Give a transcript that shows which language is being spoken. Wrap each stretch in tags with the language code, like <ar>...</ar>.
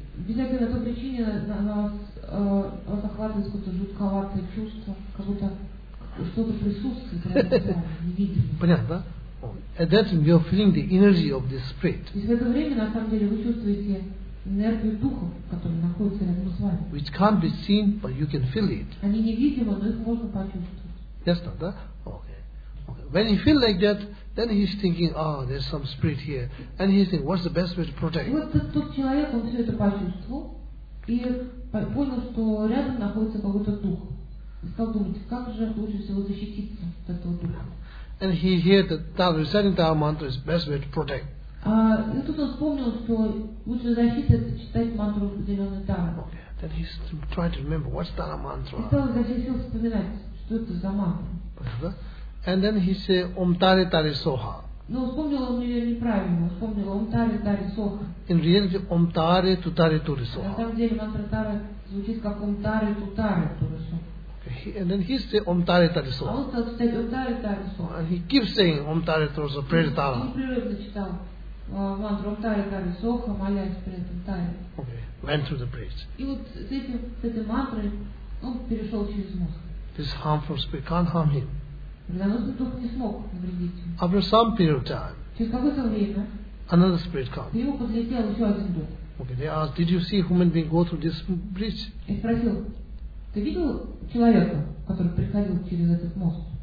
<ru>Действительно, по той причине вас охватывает какое-то жутковатое чувство, как будто что-то присутствует, невидимое. Понятно, да?</ru> <en>And that you're feeling the energy of the spirit.</en> <ru>И в это время, на самом деле, вы чувствуете энергию духов, которые находятся рядом с вами.</ru> <en>Which can't be seen, but you can feel it.</en> <ru>Они невидимы, но их можно почувствовать. Ясно, да?</ru> <en>When you feel like that, then he's thinking, oh, there's some spirit here. And he's thinking, what's the best way to protect?</en> <ru>Вот тот человек, он все это почувствовал, и понял, что рядом находится какой-то дух. И стал думать, как же лучше всего защититься от этого духа.</ru> <en>And he heard that Dharma, reciting Dharma mantra is the best way to protect.</en> <ru>И тут он вспомнил, что лучше защита это читать мантру определенной Дхармы.</ru> <en>Okay. Then he's trying to remember, what's Dharma mantra?</en> <ru>И стал защитить, вспоминать, что это за мантра.</ru> <en>And then he said, Om Tare Tare Soha.</en> <ru>No, вспомнил он ее неправильно. Вспомнил Om Tare Tare Soha.</ru> <en>In reality, Om Tare Tu Tare Ture Soha.</en> <ru>На самом деле мантра Тара звучит как Om Tare Tu Tare Ture Soha.</ru> <en>And then he said, Om Tare Tare Soha.</en> <ru>Он стал читать Om Tare Tare Soha.</ru> <en>And he keeps saying, Om Tare Tare Soha, pray to Tara.</en> <ru>Он непрерывно читал мантру Om Tare Tare Soha, молясь при этом Таре.</ru> <en>Okay, went through the bridge.</en> <ru>И вот с этой мантрой он перешел через мост.</ru> <en>This harmful spirit can't harm him.</en> <ru>Но дух не смог навредить ему. Через какое-то время</ru> <en>another spirit comes.</en> <ru>К нему подлетел еще один дух.</ru> <en>Okay, they asked, did you see human being go through this bridge?</en> <ru>И спросил, ты видел человека, который приходил через этот мост?</ru>